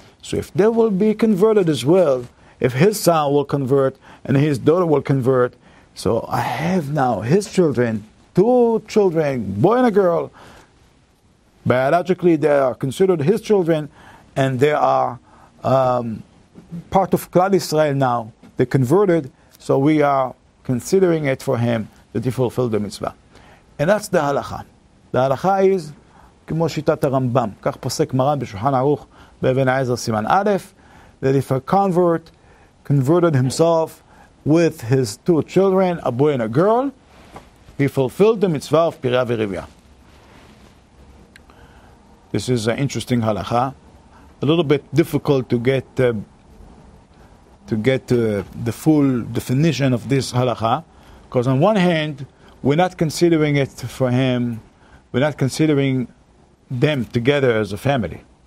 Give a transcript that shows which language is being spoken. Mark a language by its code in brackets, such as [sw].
[en] So if they will be converted as well, if his son will convert and his daughter will convert, so I have now his children, two children, boy and a girl. Biologically, they are considered his children, and they are part of Klal Yisrael now. They converted, so we are considering it for him that he fulfilled the mitzvah. And that's the halakha. The halakha is [he] כמו שיטת הרמב״ם, כך פוסק מרן בשולחן ערוך באבן עזר סימן א', [en] that if a convert converted himself with his two children, a boy and a girl, he fulfilled the mitzvah of פירייה וריבייה. This is an interesting halakha. A little bit difficult to get the full definition of this halakha, because on one hand, we're not considering it for him, we're not considering them together as a family.